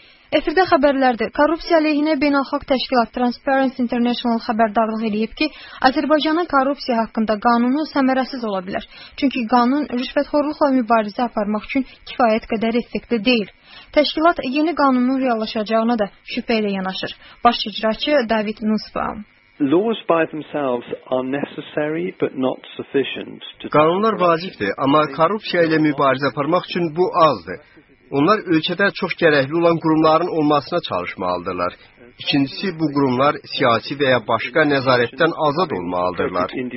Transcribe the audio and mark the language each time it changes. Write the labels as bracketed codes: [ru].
[az] Efirdə xəbərlərdir. Korrupsiya əleyhinə beynəlxalq təşkilat Transparency International xəbərdarlıq edib ki, Azərbaycanın korrupsiya haqqında qanunu səmərəsiz ola bilər. Çünki qanun rüşvətxorluqla mübarizə aparmaq üçün kifayət qədər effektli deyil. Təşkilat yeni qanunun reallaşacağına da şübhə ilə yanaşır. Baş icraçı David Nussbaum. [en] Laws by themselves are necessary but not sufficient. [az] Qanunlar vacibdir, amma korrupsiya ilə mübarizə aparmaq üçün bu azdır. Onlar ölkədə çox gərəkli olan qurumların olmasına çalışmalıdırlar. İkincisi, bu qurumlar siyasi və ya başqa nəzarətdən azad olmalıdırlar.